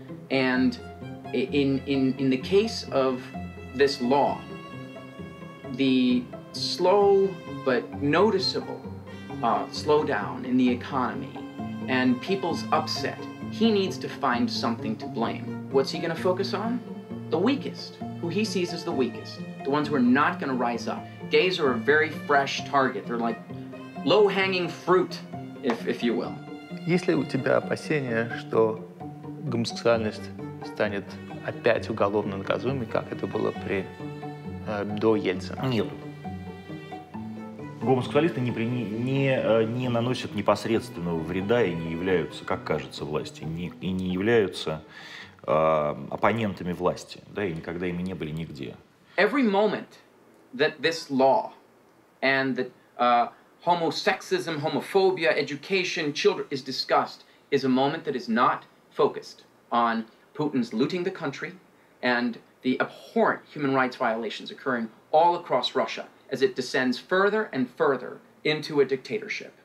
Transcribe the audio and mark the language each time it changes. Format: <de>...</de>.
<en>And in the case of this law, the slow but noticeable slowdown in the economy and people's upset, he needs to find something to blame. What's he going to focus on? The weakest, who he sees as the weakest, the ones who are not going to rise up. Gays are a very fresh target. They're like low-hanging fruit, if you will.</en> <ru>Если у тебя опасения, что гомосексуальность станет опять уголовно наказуемой, как это было при до Ельцина? Нет. Гомосексуалисты не наносят непосредственного вреда и не являются, как кажется, власти, не являются оппонентами власти, да, и никогда ими не были нигде.</ru> <en>Every moment that this law and that homosexism, homophobia, education, children is discussed is a moment that is not focused on Putin's looting the country and the abhorrent human rights violations occurring all across Russia as it descends further and further into a dictatorship.</en>